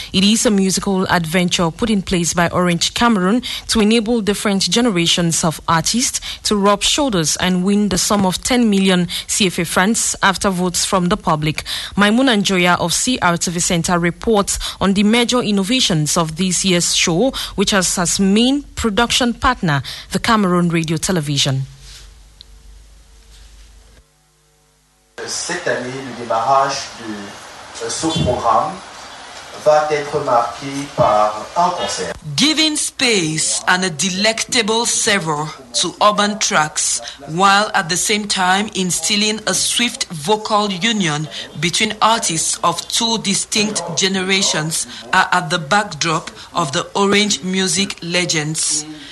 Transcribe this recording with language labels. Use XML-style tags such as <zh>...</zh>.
<en>It is a musical adventure put in place by Orange Cameroon to enable different generations of artists to rub shoulders and win the sum of 10 million CFA francs after votes from the public. Maimoun Anjoya of CRTV Center reports on the major innovations of this year's show, which has as main production partner the Cameroon Radio Television.</en> <fr>Cette année, le démarrage de ce programme va être marqué par un concert.</fr> <en>Giving space and a delectable savour to urban tracks, while at the same time instilling a swift vocal union between artists of two distinct generations, are at the backdrop of the Orange Music Legends.</en>